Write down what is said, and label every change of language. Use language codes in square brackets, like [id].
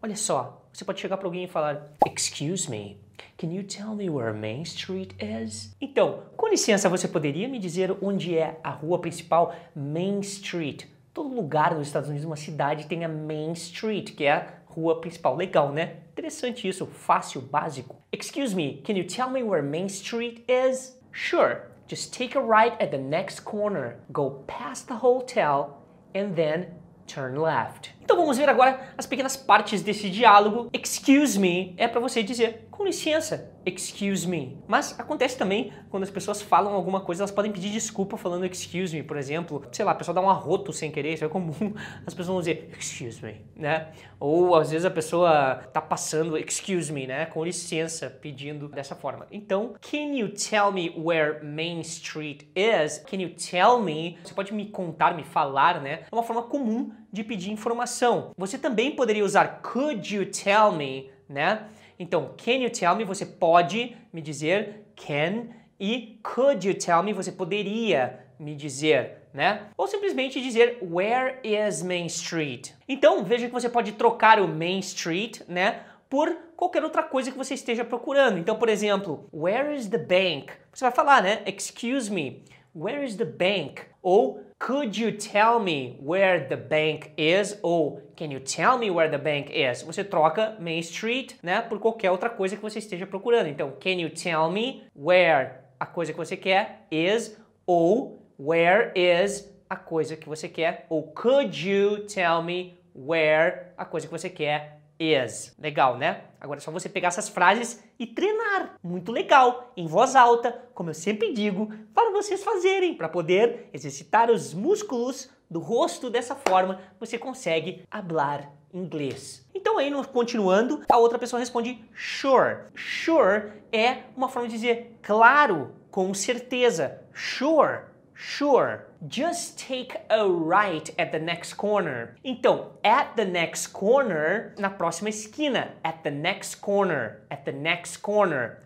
[pt] Olha só, você pode chegar para alguém e falar: [en] Excuse me, can you tell me where Main Street is? [pt] Então, com licença, você poderia me dizer onde é a rua principal, Main Street? Todo lugar nos Estados Unidos, uma cidade, tem a Main Street, que é a rua principal. Legal, né? Interessante isso, fácil, básico. [en] Excuse me, can you tell me where Main Street is? Sure, just take a right at the next corner, go past the hotel, and then turn left. [pt] Então vamos ver agora as pequenas partes desse diálogo. [en] Excuse me [pt] é para você dizer com licença, [en] excuse me. [pt] Mas acontece também quando as pessoas falam alguma coisa, elas podem pedir desculpa falando [en] excuse me, [pt] por exemplo. Sei lá, a pessoa dá um arroto sem querer, isso é comum. As pessoas vão dizer [en] excuse me, [pt] né? Ou às vezes a pessoa tá passando [en] excuse me, [pt] né? Com licença, pedindo dessa forma. [en] Então, can you tell me where Main Street is? Can you tell me? [pt] Você pode me contar, me falar, né? É uma forma comum de pedir informação. Você também poderia usar [en] could you tell me, [pt] né? Então, [en] can you tell me, [pt] você pode me dizer, can, e [en] could you tell me, [pt] você poderia me dizer, né? Ou simplesmente dizer, [en] where is Main Street? [pt] Então, veja que você pode trocar o Main Street, né, por qualquer outra coisa que você esteja procurando. Então, por exemplo, [en] where is the bank? [pt] Você vai falar, né, [en] excuse me, where is the bank? Ou, could you tell me where the bank is? Ou, can you tell me where the bank is? [pt] Você troca Main Street, né, por qualquer outra coisa que você esteja procurando. Então, [en] can you tell me where [pt] a coisa que você quer [en] is? [pt] Ou, [en] where is [pt] a coisa que você quer? Ou, [en] could you tell me where [pt] a coisa que você quer [en] is? [pt] Legal, né? Agora é só você pegar essas frases e treinar. Muito legal, em voz alta, como eu sempre digo, para vocês fazerem, para poder exercitar os músculos do rosto. Dessa forma, você consegue hablar inglês. Então aí, continuando, a outra pessoa responde sure. Sure é uma forma de dizer claro, com certeza. [en] Sure, sure. Just take a right at the next corner. [pt] Então, [en] at the next corner, [pt] na próxima esquina. [en] At the next corner, at the next corner.